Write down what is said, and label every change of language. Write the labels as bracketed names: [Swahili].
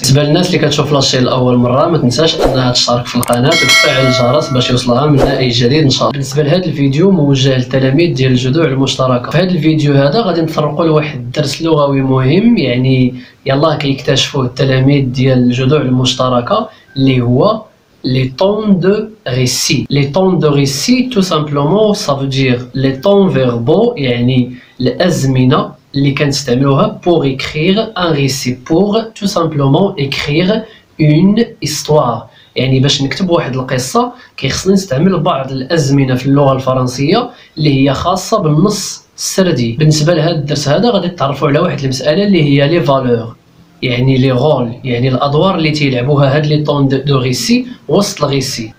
[Arabic] بالنسبة للناس اللي كتشوف لاشي الأول مرة، ما تنساش أنها تشارك في القناة وتفعل الجرس باش يوصلها منا أي جديد إن شاء الله. بالنسبة لهذا الفيديو موجه للتلاميذ ديال الجذوع المشتركة. في هذا الفيديو هذا غادي نتطرقوا لواحد الدرس لغوي مهم، يعني يلاه كيكتشفوه التلاميذ ديال الجذوع المشتركة، اللي هو les temps de récit. [French] Les temps de récit, tout simplement, ça veut dire les temps verbaux, [Arabic] يعني الأزمنة اللي كنستعملوها [French] pour écrire un récit, pour tout simplement écrire une histoire. [Arabic] يعني باش نكتب واحد القصة كيخصني نستعمل بعض الأزمنة في اللغة الفرنسية اللي هي خاصة بالنص السردي. بالنسبة لهذا الدرس هذا غادي تعرفوا على واحد المسألة اللي هي les valeurs، يعني لي رول، يعني الادوار اللي تيلعبوها هاد لي طون دو ريسي وسط الريسي.